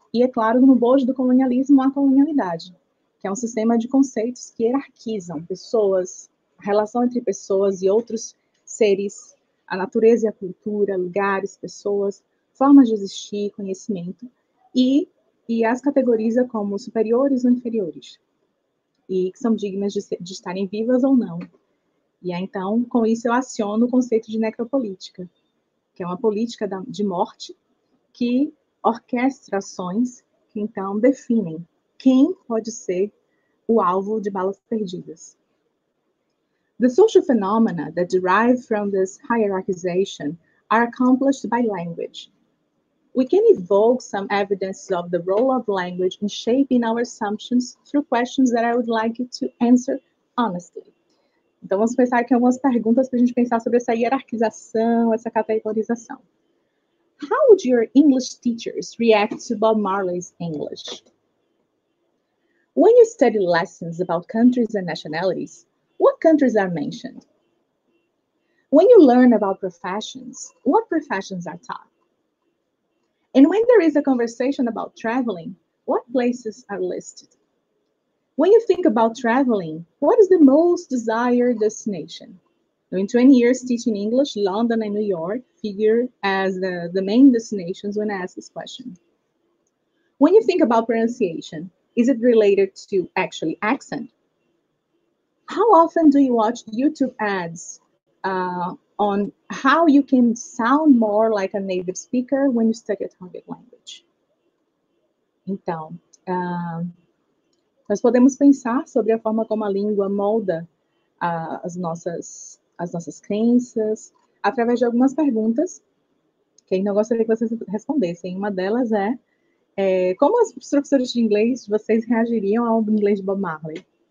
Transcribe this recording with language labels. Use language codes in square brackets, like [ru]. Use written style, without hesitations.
[pt] E, é claro, no bojo do colonialismo, a colonialidade, que é um sistema de conceitos que hierarquizam pessoas, a relação entre pessoas e outros seres, a natureza e a cultura, lugares, pessoas, formas de existir, conhecimento, e as categoriza como superiores ou inferiores, e que são dignas de estarem vivas ou não. E aí, então, com isso, eu aciono o conceito de necropolítica, que é uma política de morte que orquestra ações que, então, definem quem pode ser o alvo de balas perdidas. [en] The social phenomena that derive from this hierarchization are accomplished by language. We can evoke some evidence of the role of language in shaping our assumptions through questions that I would like you to answer honestly. [pt] Então, vamos pensar aqui algumas perguntas para a gente pensar sobre essa hierarquização, essa categorização. [en] How would your English teachers react to Bob Marley's English? When you study lessons about countries and nationalities, what countries are mentioned? When you learn about professions, what professions are taught? And when there is a conversation about traveling, what places are listed? When you think about traveling, what is the most desired destination? In 20 years teaching English, London and New York figure as the main destinations when I ask this question. When you think about pronunciation, is it related to actually accent? How often do you watch YouTube ads on how you can sound more like a native speaker when you study a target language? [pt] Então, nós podemos pensar sobre a forma como a língua molda as nossas crenças através de algumas perguntas que ainda gostaria que vocês respondessem. Uma delas é como as professoras de inglês vocês reagiriam ao inglês de Bob Marley?